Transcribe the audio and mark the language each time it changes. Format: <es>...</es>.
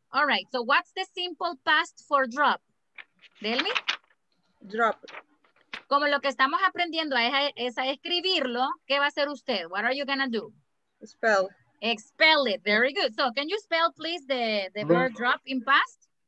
<en>All right, so what's the simple past for drop? Tell me. Drop.</en> <es>Como lo que estamos aprendiendo es a escribirlo, ¿qué va a hacer usted?</es> <en>What are you going to do? Spell. Expel it. Very good. So can you spell, please, the word drop in past?</en>